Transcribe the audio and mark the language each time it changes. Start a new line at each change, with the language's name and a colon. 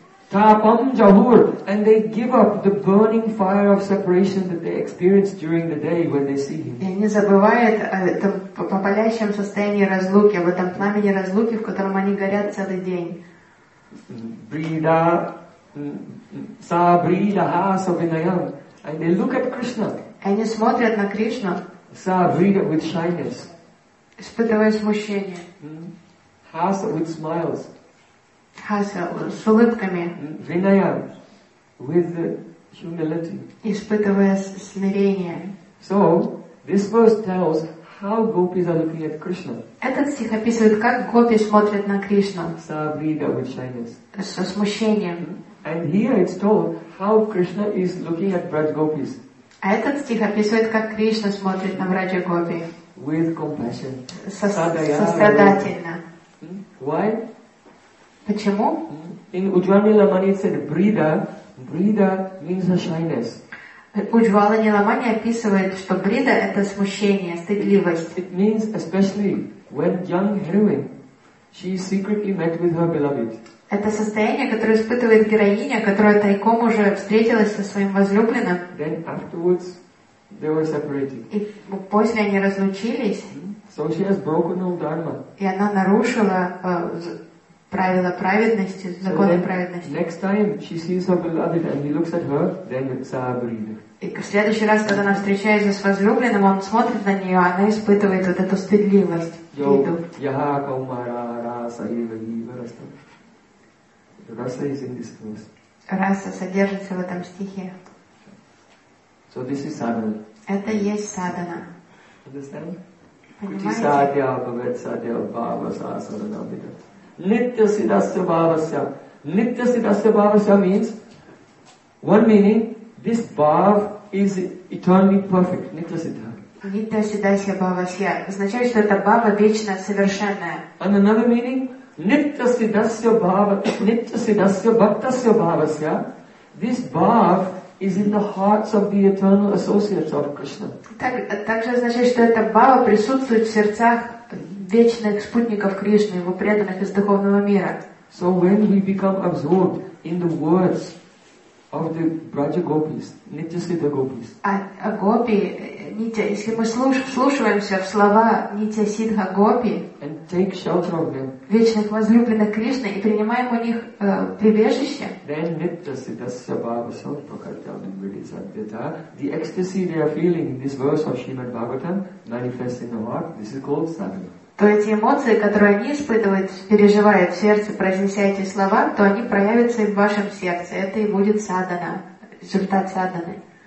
English: Tapam jahur, and they give up the burning fire of separation that they experience during the day when they see him.
Russian: И они забывают о палящем состоянии разлуки, об этом пламени разлуки, в котором они горят целый день.
Sanskrit: Брида, са брида ха савинаям,
English: and they look at Krishna.
Russian: Они смотрят на Кришну.
English: Са брида with shyness.
Russian: Испытывая смущение.
English: Ха with smiles.
Russian: Хаса, с улыбками.
English: Виная, with humility.
Russian: Испытывая смирение.
English: So, this verse tells how gopis are looking at Krishna.
Russian: Этот стих описывает, как гопи смотрят на Кришну.
English: Sabrida with shyness.
Russian: Со смущением.
English: And here it's told how Krishna is looking at Braj gopis.
Russian: А этот стих описывает, как Кришна смотрит на Браджа гопи.
English: With compassion.
Russian: Сострадательно.
English: Why?
Russian: Почему?
English: In Ujjvala Nilamani it said Brida. Brida means a shyness.
Russian: Ujjvala Nilamani описывает, что Брида это смущение, стыдливость.
English: It means especially when young heroine, she secretly met with her beloved.
Russian: Это состояние, которое испытывает героиня, которая тайком уже встретилась со своим возлюбленным.
English: Then afterwards they were separated.
Russian: И после они разлучились.
English: So she has broken all dharma.
Russian: И она нарушила правила праведности, законы праведности.
English: Next time she sees her beloved and he looks at her, then it's a brida.
Russian: И в следующий раз, когда она встречается с возлюбленным, он смотрит на нее, она испытывает вот эту стыдливость.
Sanskrit: Yo, yaha kaumara rasa eva eva rasa.
English: Rasa is in this verse.
Russian: Раса содержится в этом стихе.
English: So this is sadhana.
Russian: Это есть садхана.
English: Understand?
Russian: Понимаете?
Sanskrit: Kuti sadhya bhavet sadhya bhava sasana bhita. Nitya siddhasya bhavasya.
English: Nitya siddhasya bhavasya means one meaning, this bhav is eternally perfect. Nitya siddha.
Sanskrit: Nitya siddhasya bhavasya
Russian: означает, что это бхава вечно совершенная.
English: And another meaning, nitya siddhasya bhava, nitya siddhasya bhaktasya bhavasya, this bhav is in the hearts of the eternal associates of Krishna.
Russian: Также означает, что это бхава присутствует в сердцах вечных спутников Кришны, его преданных из духовного мира.
English: So when we become absorbed in the words of the Braja Gopis, Nitya Siddha Gopis.
Russian: А гопи, нитя, если мы слушаемся в слова Нитя Сидха Гопи,
English: and take shelter of them,
Russian: вечных возлюбленных Кришны, и принимаем у них прибежище,
English: then
Sanskrit: Nitya Siddha Sabhava Sampakartyam Vidisadvita,
English: the ecstasy they are feeling in this verse of Srimad Bhagavatam manifests in the heart, this is called sadhana.
Russian: То эти эмоции, которые они испытывают, переживают в сердце, произнеся эти слова, то они проявятся и в вашем сердце. Это и будет садхана, результат садханы.